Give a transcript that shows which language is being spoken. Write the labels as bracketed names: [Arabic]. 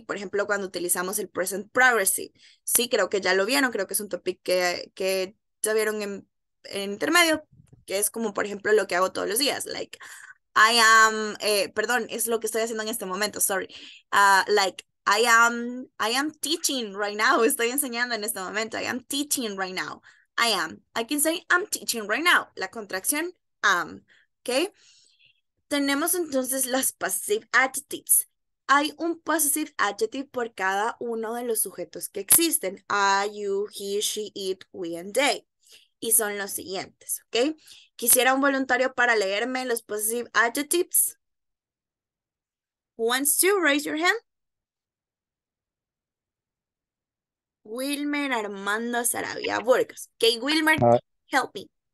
[Spanish] Por ejemplo, cuando utilizamos el present progressive, sí, creo que ya lo vieron, creo que es un topic que ya vieron en intermedio, que es como, por ejemplo, lo que hago todos los días, [English] like, I am, [Spanish] perdón, es lo que estoy haciendo en este momento, [English] sorry, like, I am teaching right now, [Spanish] estoy enseñando en este momento, [English] I am teaching right now, I am, I can say I'm teaching right now, [Spanish] la contracción am, ¿ok? Tenemos entonces las passive adjectives. Hay un possessive adjective por cada uno de los sujetos que existen. [English] I, you, he, she, it, we, and they. [Spanish] Y son los siguientes, ¿ok? ¿Quisiera un voluntario para leerme los possessive adjectives? [English] Who wants to raise your hand? Wilmer Armando Sarabia Burgos. Ok, Wilmer, help me.